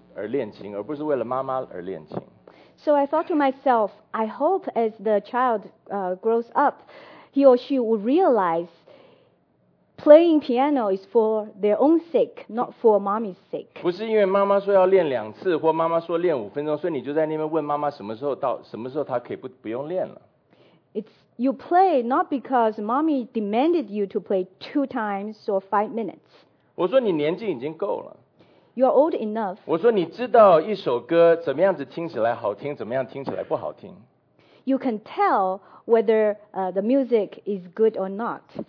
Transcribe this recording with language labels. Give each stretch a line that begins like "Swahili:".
Chinese: 这孩子慢慢成长了以后，我希望他是为了他自己而练琴，而不是为了妈妈而练琴。
English: So I thought to myself, I hope as the child grows up, he or she will realize playing piano is for their own sake, not for mommy's sake.
Chinese: 不是因为妈妈说要练两次，或妈妈说练五分钟，所以你就在那边问妈妈什么时候到，什么时候她可以不用练了。
English: It's you play not because mommy demanded you to play 2 times or 5 minutes.
Chinese: 我说你年纪已经够了。
English: You are old enough.
Chinese: 我说你知道一首歌怎么样子听起来好听，怎么样听起来不好听。
English: You can tell whether the music is good or not.